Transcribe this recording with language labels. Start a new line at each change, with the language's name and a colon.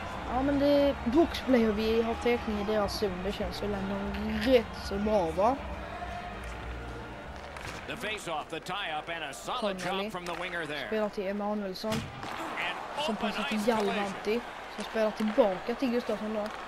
Swedish: Ja, men det är boxplay och vi har täckning i deras zon. Det känns väl ändå rätt så bra, va?
English: The face-off, the tie-up and a solid jump from the winger there.
Swedish: Spelar till Emanuelsson. Som passar till Jalvanti. Som spelar tillbaka till Gustafsson då.